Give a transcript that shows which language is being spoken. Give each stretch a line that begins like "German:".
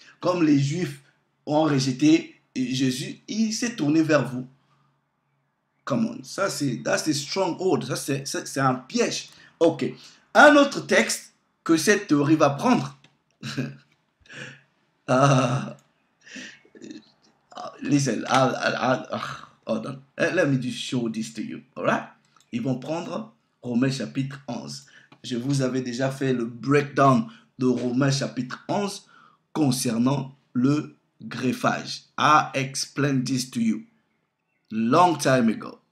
French: Comme les Juifs ont rejeté Jésus, il s'est tourné vers vous.
English: Come on,
French: ça c'est
English: that's a stronghold,
French: ça c'est un piège. Ok, un autre texte que cette théorie va prendre.
English: listen, hold on, let me just show this to you, alright?
French: Ils vont prendre Romains chapitre 11. Je vous avais déjà fait le breakdown de Romains chapitre 11 concernant le greffage.
English: I explained this to you long time ago.